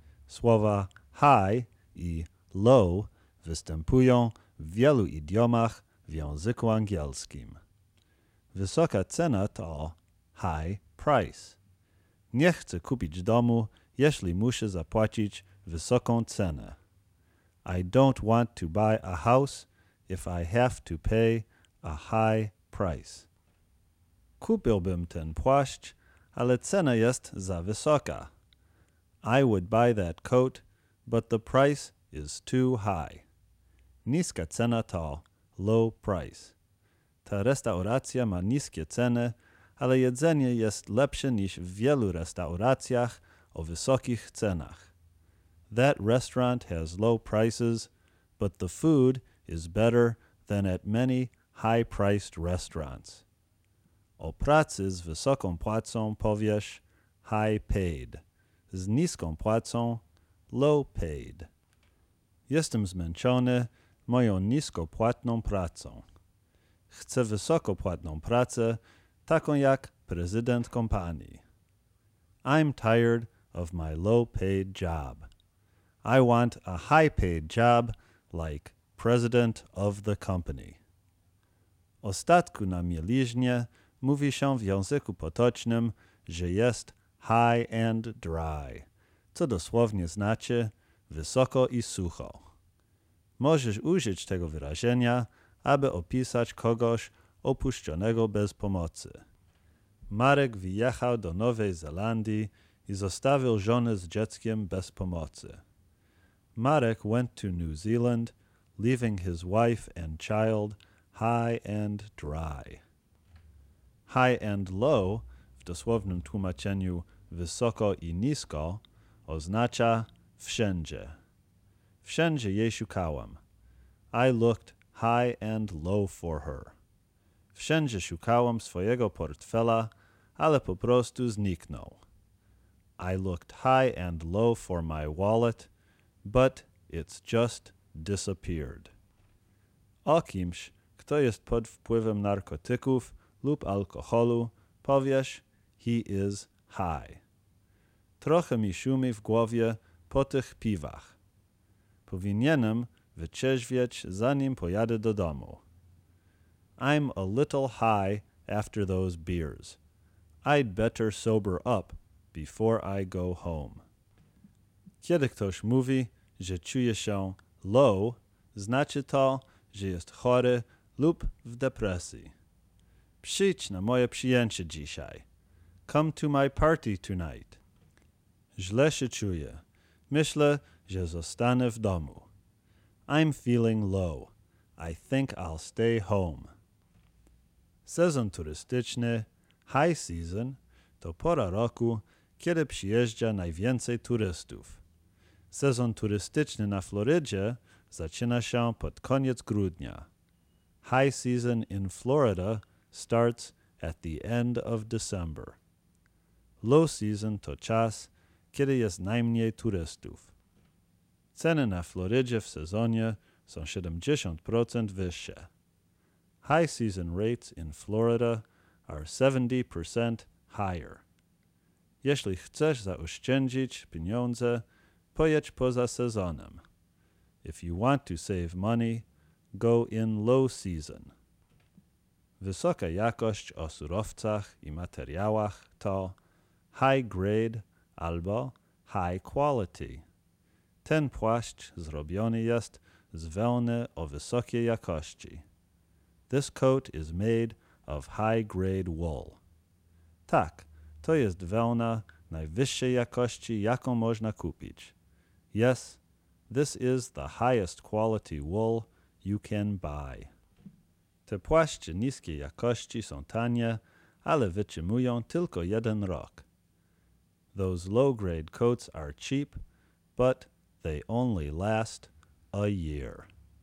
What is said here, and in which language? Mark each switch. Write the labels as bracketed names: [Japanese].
[Polish] Słowa high I low występują w wielu idiomach w języku angielskim. Wysoka cena to [English] high price. [Polish] Nie chcę kupić domu, jeśli muszę zapłacić wysoką cenę. [English] I don't want to buy a house if I have to pay a high price. [Polish] Kupiłbym ten płaszcz, ale cena jest za wysoka. [English] I would buy that coat, but the price is too high. [Polish] Niska cena to [English] low price. [Polish] Ta restauracja ma niskie ceny, ale jedzenie jest lepsze niż w wielu restauracjach o wysokich cenach. [English] That restaurant has low prices, but the food is better than at many high-priced restaurants. [Polish] O pracy z wysoką płacą powiesz [English] high paid. [Polish] Z niską płacą [English] low paid. [Polish] Jestem zmęczony moją nisko płatną pracą. Chcę wysoko płatną pracę, taką jak prezydent kompanii. [English] I'm tired of my low paid job. I want a high paid job like president of the company. [Polish] Ostatku na mieliźnie mówi się w języku potocznym, że jest [English] high and dry, [Polish] co dosłownie znaczy wysoko I sucho. Możesz użyć tego wyrażenia, aby opisać kogoś opuszczonego bez pomocy. Marek wyjechał do Nowej Zelandii I zostawił żonę z dzieckiem bez pomocy. [English] Marek went to New Zealand, leaving his wife and child high and dry. High and low, [Polish] w dosłownym tłumaczeniu wysoko I nisko, oznacza wszędzie. Wszędzie jej szukałam. [English] I looked high and low for her. [Polish] Wszędzie szukałam swojego portfela, ale po prostu zniknął. [English] I looked high and low for my wallet, but it's just disappeared. [Polish] O kimś, kto jest pod wpływem narkotyków lub alkoholu, powiesz, [English] he is high. [Polish] Trochę mi szumi w głowie po tych piwach. Powinienem wyczerzwieć, zanim pojadę do domu. [English] I'm a little high after those beers. I'd better sober up before I go home. [Polish] Kiedy ktoś mówi, że czuje się low, znaczy to, że jest chory lub w depresji. Przyjdź na moje przyjęcie dzisiaj. [English] Come to my party tonight. [Polish] Źle się czuję. Myślę, że zostanę w domu. [English] I'm feeling low. I think I'll stay home. [Polish] Sezon turystyczny, [English] high season, [Polish] to pora roku, kiedy przyjeżdża najwięcej turystów. Sezon turystyczny na Florydzie zaczyna się pod koniec grudnia. [English] High season in Florida starts at the end of December. Low season [Polish] to czas, kiedy jest najmniej turystów. Ceny na Florydzie w sezonie są 70% wyższe. [English] High season rates in Florida are 70% higher. [Polish] Jeśli chcesz zaoszczędzić pieniądze, pojedź poza sezonem. [English] If you want to save money, go in low season. [Polish] Wysoka jakość o surowcach I materiałach to [English] high grade [Polish] albo [English] high quality. [Polish] Ten płaszcz zrobiony jest z wełny o wysokiej jakości. [English] This coat is made of high grade wool. [Polish] Tak, to jest wełna najwyższej jakości, jaką można kupić. [English] Yes, this is the highest quality wool you can buy. [Polish] Te płaszcze niskiej jakości są tanie, ale wytrzymują tylko jeden rok. [English] Those low-grade coats are cheap, but they only last a year.